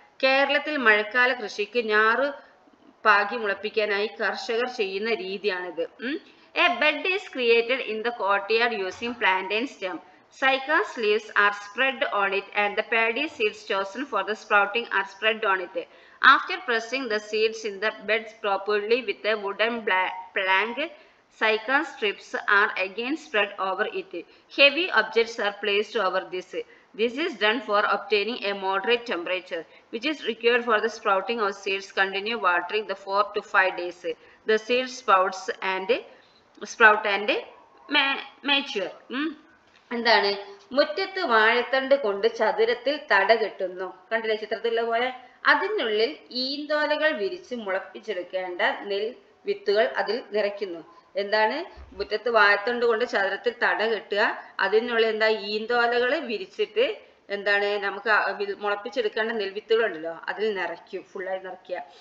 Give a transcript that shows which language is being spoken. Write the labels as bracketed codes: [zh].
[ml] കേരളത്തിൽ മഴക്കാല കൃഷിക്ക് ഞാറ് പാകി മുളപ്പിക്കാനായി കർഷകർ ചെയ്യുന്ന രീതിയാണിത്. [en] A bed is created in the courtyard using plantain stem. Cycas leaves are spread on it and the paddy seeds chosen for the sprouting are spread on it. After pressing the seeds in the beds properly with a wooden plank, cycas strips are again spread over it. Heavy objects are placed over this. This is done for obtaining a moderate temperature, which is required for the sprouting of seeds. Continue watering the 4 to 5 days. The seeds sprouts and sprout and mature. [ml] എന്താണ് മുറ്റത്ത് വാഴത്തണ്ട് കൊണ്ട് ചതുരത്തിൽ തട കെട്ടുന്നു, കണ്ടില്ലേ ചിത്രത്തിലുള്ള പോലെ. അതിനുള്ളിൽ ഈന്തോലകൾ വിരിച്ച് മുളപ്പിച്ചെടുക്കേണ്ട നെൽ വിത്തുകൾ അതിൽ നിറയ്ക്കുന്നു. എന്താണ് മുറ്റത്ത് വാഴത്തണ്ട് കൊണ്ട് ചതുരത്തിൽ തട കെട്ടുക, അതിനുള്ളിൽ എന്താ ഈന്തോലകൾ വിരിച്ചിട്ട് എന്താണ് നമുക്ക് മുളപ്പിച്ചെടുക്കേണ്ട നെൽവിത്തുകൾ ഉണ്ടല്ലോ അതിൽ നിറയ്ക്കും, ഫുള്ളായി നിറയ്ക്കുക.